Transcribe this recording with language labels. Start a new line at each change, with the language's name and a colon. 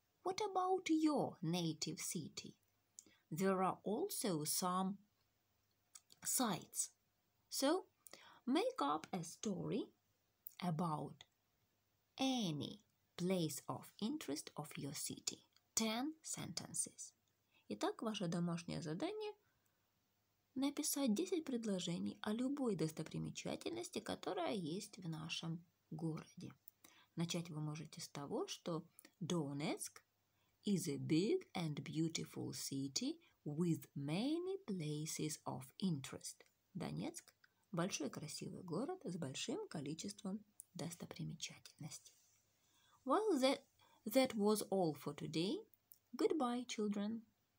English: What about your native city? There are also some sites. So, make up a story about any place of interest of your city. 10 sentences.
Russian: Итак, ваше домашнее задание – написать 10 предложений о любой достопримечательности, которая есть в нашем городе. Начать вы можете с того, что Донецк
English: is a big and beautiful city with many places of interest.
Russian: Донецк – большой красивый город с большим количеством достопримечательностей.
English: Well, that was all for today. Goodbye, children!